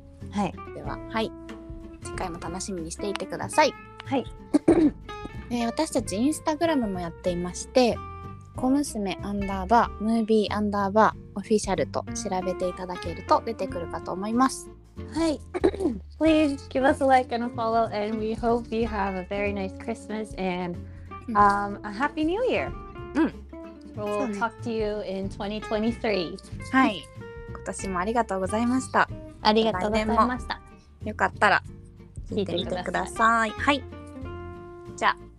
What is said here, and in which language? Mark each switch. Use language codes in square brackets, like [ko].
[ja] はい、でははい、次回も楽しみにしていてください。はい。私たちインスタグラムもやっていまして、小娘アンダーバームービーアンダーバーオフィシャルと調べていただけると出てくるかと思います。はい。 [en] Please give us a like and a follow, and we hope you have a very nice Christmas and、a happy new year. We'll、ね、talk to you in 2023. [ja] はい、今年もありがとうございました。ありがとうございました。よかったら聞いてみてください。はい、じゃあ